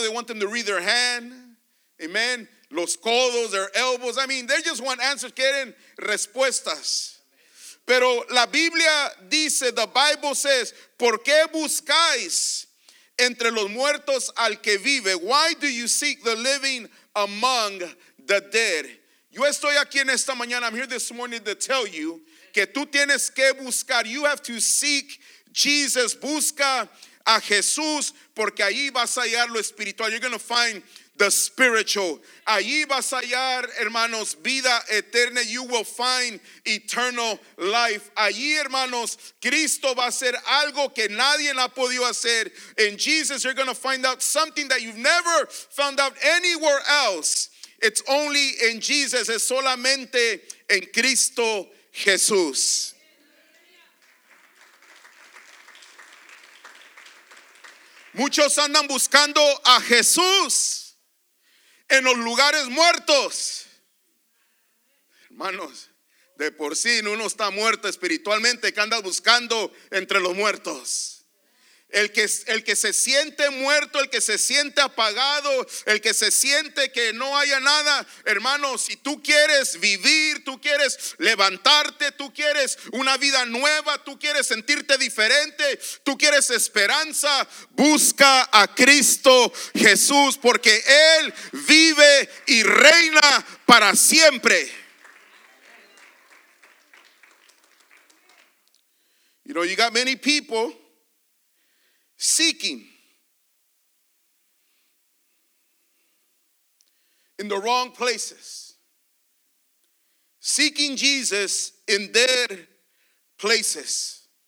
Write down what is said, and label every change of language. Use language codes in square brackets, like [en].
[en] They want them to read their hand. Amen. [es] Los codos, [en] their elbows. I mean, they just want answers. [es] Quieren respuestas. Pero la Biblia dice, [en] the Bible says, [es] ¿por qué buscáis entre los muertos al que vive? [en] Why do you seek the living among the dead? [es] Yo estoy aquí en esta mañana, [en] I'm here this morning to tell you [es] que tú tienes que buscar, [en] you have to seek Jesus, [es] busca a Jesús, porque ahí vas a hallar lo espiritual, [en] you're going to find the spiritual. [es] Allí vas a hallar, hermanos, vida eterna. [en] You will find eternal life. [es] Allí, hermanos, Cristo va a hacer algo que nadie ha podido hacer. [en] In Jesus, you're going to find out something that you've never found out anywhere else. It's only in Jesus. [es] Es solamente en Cristo Jesús. Muchos andan buscando a Jesús en los lugares muertos. Hermanos, de por sí uno está muerto espiritualmente, que andas buscando entre los muertos. El que se siente muerto, el que se siente apagado, el que se siente que no haya nada, hermano, si tú quieres vivir, tú quieres levantarte, tú quieres una vida nueva, tú quieres sentirte diferente, tú quieres esperanza, busca a Cristo Jesús, porque Él vive y reina para siempre. [en] You know, you got many people seeking in the wrong places, seeking Jesus in dead places.